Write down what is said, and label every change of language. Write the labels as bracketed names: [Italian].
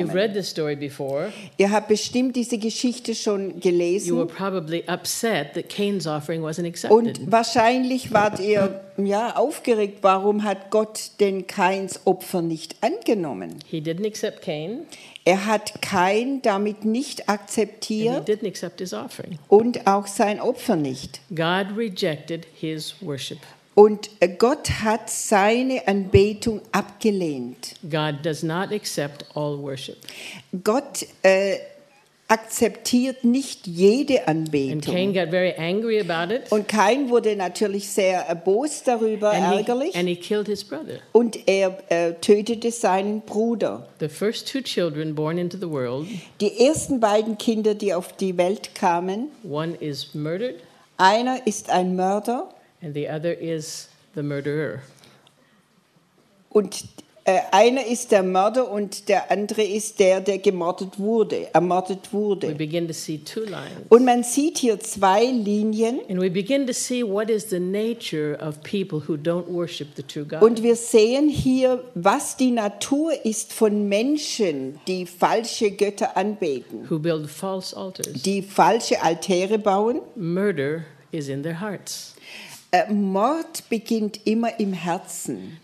[English] If you've read this story before, [German] ihr habt bestimmt diese Geschichte schon gelesen. [English] You were probably upset that Cain's offering wasn't accepted. [German] Und wahrscheinlich wart ihr ja aufgeregt, warum hat Gott denn Cains Opfer nicht angenommen? [English] He didn't accept Cain. [German] Er hat Cain damit nicht akzeptiert. [English] And he didn't accept his offering. [German] Und auch sein Opfer nicht. [English] God rejected his worship. [German] Und Gott hat seine Anbetung abgelehnt. [English] God does not accept all worship. [German] Gott akzeptiert nicht jede Anbetung. [English] And Cain got very angry about it. [German] Und Cain wurde natürlich sehr erbost darüber, [English] and [German] ärgerlich. [English] He killed his brother. [German] Und er tötete seinen Bruder. [English] The first two children born into the world, [German] die ersten beiden Kinder, die auf die Welt kamen, [English] one is murdered, [German] einer ist ein Mörder. [English] And the other is the murderer. [German] Und einer ist der Mörder und der andere ist der ermordet wurde. [English] We begin to see two lines. [German] Und man sieht hier zwei Linien. [English] And we begin to see what is the nature of people who don't worship the true God. [German] Und wir sehen hier, was die Natur ist von Menschen, die falsche Götter anbeten. [English] Who build false altars. [German] Die falsche Altäre bauen. [English] Murder is in their hearts. [German] Mord beginnt immer im Herzen.